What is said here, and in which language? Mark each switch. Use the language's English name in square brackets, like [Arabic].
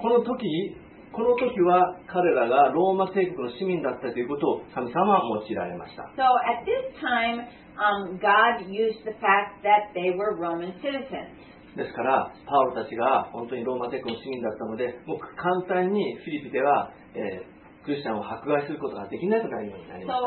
[Japanese] この時は彼らがローマ帝国の市民だったということを神様は用いられました。 [English] So at this time, God used the fact that they were Roman citizens. [Japanese] ですからパウロたちが本当にローマ帝国の市民だったのでもう簡単にフィリピでは、クリスチャンを迫害することができないとかいうようになりました。